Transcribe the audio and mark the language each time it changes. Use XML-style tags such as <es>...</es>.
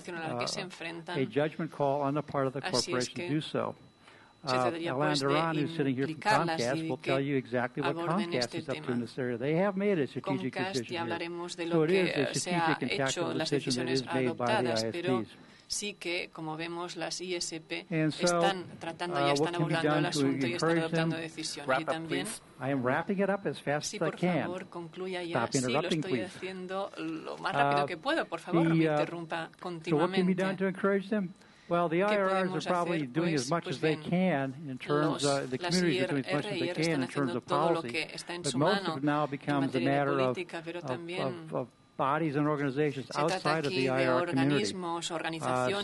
<en>a judgment call on the part of the corporation to do so. Alain Duran, who's sitting here from Comcast, will tell you exactly what Comcast is up to in this area. They have made a strategic decision here. So it is a strategic and tactical decision that is made by the ISPs.</en> <es>Sí que, como vemos, las ISP están tratando y están abordando el asunto y están adoptando decisiones. Y también,</es> <en>I am wrapping it up as fast as I can.</en> <es>Por favor, concluya ya.</es> <en>Stop interrupting, please.</en> <es>Sí, lo estoy haciendo lo más rápido que puedo. Por favor, no me interrumpa continuamente.</es> <en>So what can be done to encourage them? Well, the IRRs are probably doing as much as they can in terms of the communities are doing as much as they can in terms of policy. But most of it now becomes a matter of bodies and organizations outside of the IRR community.</en>